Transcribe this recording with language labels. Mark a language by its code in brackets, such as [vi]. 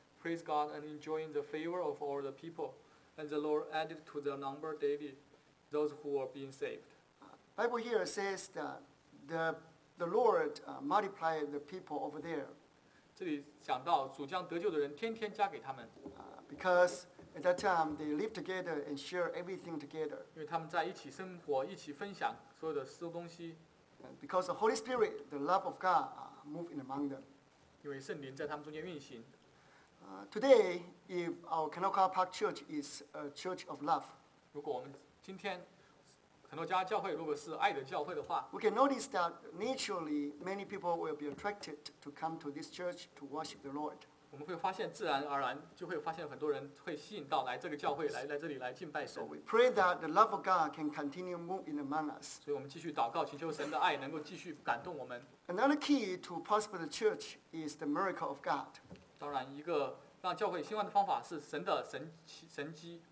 [en] Praise God and enjoying the favor of all the people, and the Lord added to their number daily those who were being saved. Bible here says that the Lord multiplied the people over there. [zh] 这里讲到主将得救的人天天加给他们。 [en] Because at that time they lived together and shared everything together. [zh] 因为他们在一起生活，一起分享所有的所有东西。 [en] Because the Holy Spirit, the love of God, moved in among them. [zh] 因为圣灵在他们中间运行。 [en] Today, if our Kanoka Park Church is a church of love, [zh] 如果我们今天很多家教会如果是爱的教会的话 [en] ，We can notice that naturally many people will be attracted to come to this church to worship the Lord. [zh] 我们会发现自然而然就会发现很多人会吸引到来这个教会来这里来敬拜神。 [en] So we pray that the love of God can continue moving among us. [zh] 所以我们继续祷告，祈求神的爱能够继续感动我们。 [en] Another key to prosper the church is the miracle of God. [zh] 当然，一个让教会兴旺的方法是神的神迹。